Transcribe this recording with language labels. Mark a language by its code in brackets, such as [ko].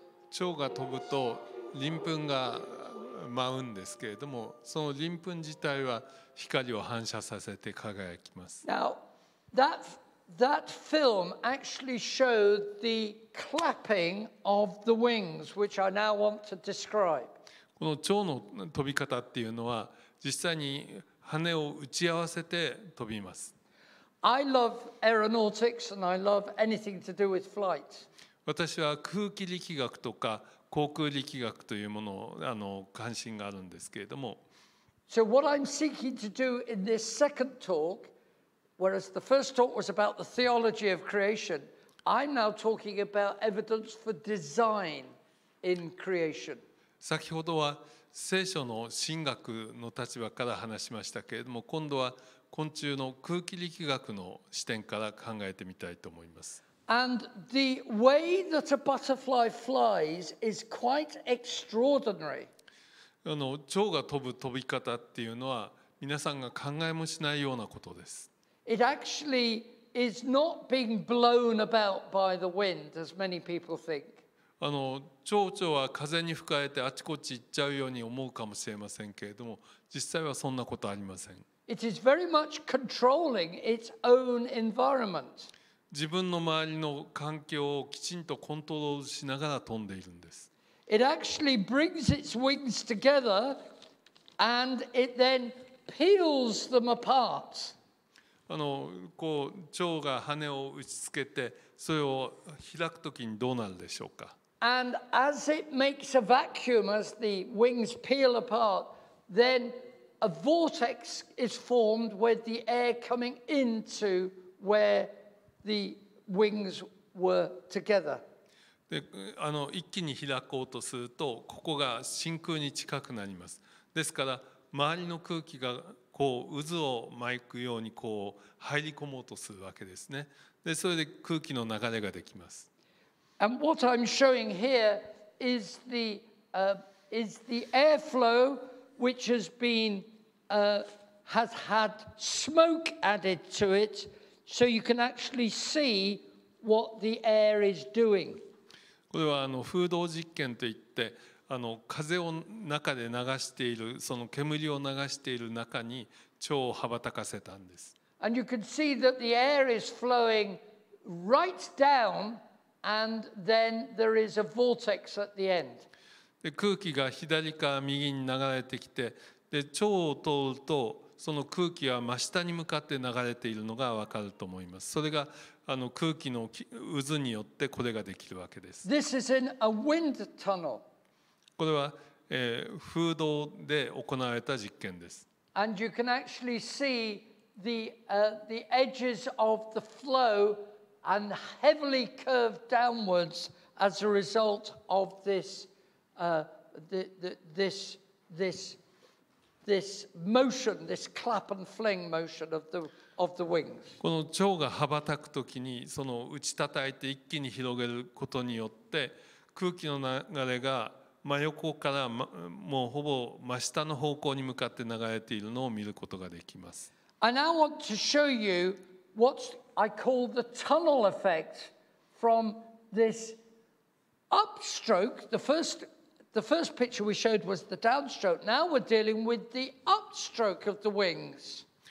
[ja] 蝶が飛ぶと鱗粉が舞うんですけれども、その鱗粉自体は光を反射させて輝きます。 [en] Now, that film actually showed the clapping of the wings, which I now want to describe. [ja] この蝶の飛び方っていうのは、実際に羽を打ち合わせて飛びます。 [en] I love aeronautics and I love anything to do with flight. [ja] 私は空気力学とか航空力学というものを関心があるんですけれども。 [en] So what I'm seeking to do in this second talk, whereas the first talk was about the theology of creation, I'm now talking about evidence for design in creation. [ja] 先ほどは聖書の神学の立場から話しましたけれども、今度は昆虫の空気力学の視点から考えてみたいと思います。 [en] And the way that a butterfly flies is quite extraordinary. [ja] 蝶が飛ぶ飛び方っていうのは皆さんが考えもしないようなことです。 [en] It actually is not being blown about by the wind, as many people think. [ja] 蝶々は風に吹かれてあちこち行っちゃうように思うかもしれませんけれども、実際はそんなことありません。 [en] It is very much controlling its own environment. [ja] 自分の周りの環境をきちんとコントロールしながら飛んでいるんです。 [en] It actually brings its wings together And it then peels them apart. [ja] こう蝶が羽を打ちつけてそれを開くときにどうなるでしょうか。 [en] And as it makes a vacuum as the wings peel apart, then a vortex is formed with the air coming into where the wings were together. [ja] で、一気に開こうとするとここが真空に近くなります。ですから周りの空気がこう渦を巻くようにこう入り込もうとするわけですね。で、それで空気の流れができます。 [en] And what I'm showing here is the airflow which has been has had smoke added to it, so you can actually see what the air is doing. [ja] これは風洞実験といって風を中で流しているその煙を流している中に蝶を羽ばたかせたんです。 [en] And you can see that the air is flowing right down. And then there is a vortex at the end. [ja] で、空気が左から右に流れてきて、で、蝶を通るとその空気は真下に向かって流れているのが分かると思います。それが空気の渦によってこれができるわけです。 [en] This is in a wind tunnel. [ja] これは、風洞で行われた実験です。 [en] And you can actually see the edges of the flow. And heavily curved downwards as a result of this motion, this clap and fling motion of the wings. [ja] この蝶が羽ばたくときに、その打ち叩いて一気に広げることによって、空気の流れが真横からもうほぼ真下の方向に向かって流れているのを見ることができます。 [en] And I want to show you what's I call the tunnel effect from this upstroke. The first picture we showed was the downstroke. Now we're dealing with the upstroke of the wings.